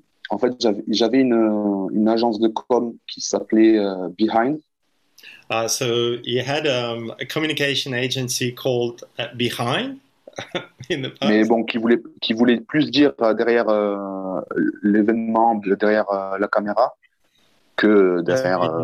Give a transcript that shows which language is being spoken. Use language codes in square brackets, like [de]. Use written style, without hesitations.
[fr] En fait, j'avais une agence de com qui s'appelait Behind. [en] So you had a communication agency called Behind in the past. [fr] Mais bon, qui voulait plus dire derrière l'événement, derrière la caméra, que derrière